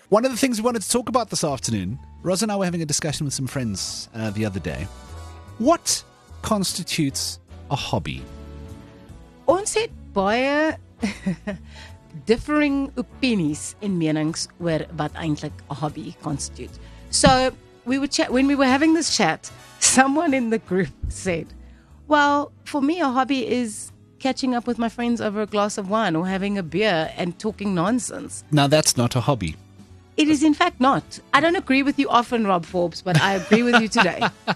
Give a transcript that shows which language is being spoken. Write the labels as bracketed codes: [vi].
[en] One of the things we wanted to talk about this afternoon, Roz and I were having a discussion with some friends the other day. What constitutes a hobby? [af] Ons het baie differing opinies en menings oor wat eintlik 'n hobby constitute. [en] So, when we were having this chat, someone in the group said, "Well, for me a hobby is catching up with my friends over a glass of wine or having a beer and talking nonsense." Now, that's not a hobby. It is, in fact, not. I don't agree with you often, Rob Forbes, but I agree with you today.